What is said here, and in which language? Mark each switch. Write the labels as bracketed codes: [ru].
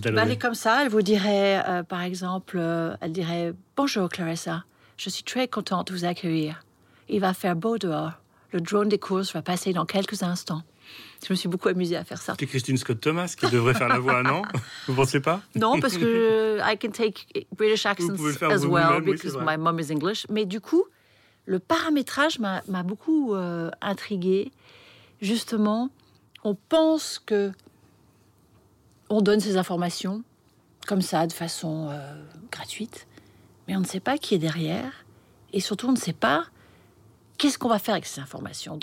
[fr] Dalloway? Elle est comme ça, elle vous dirait, par exemple, elle dirait « Bonjour Clarissa, je suis très contente de vous accueillir. Il va faire beau dehors. Le drone des courses va passer dans quelques instants. » Je me suis beaucoup amusée à faire ça. C'est Christine Scott Thomas qui devrait faire la voix, non? Vous ne pensez pas? Non, parce que [en] I can take British accents as well, because my mom is English. [fr] Mais du coup, le paramétrage m'a beaucoup intriguée. Justement, on pense que on donne ces informations comme ça, de façon gratuite, mais on ne sait pas qui est derrière, et surtout on ne sait pas qu'est-ce qu'on va faire avec ces informations.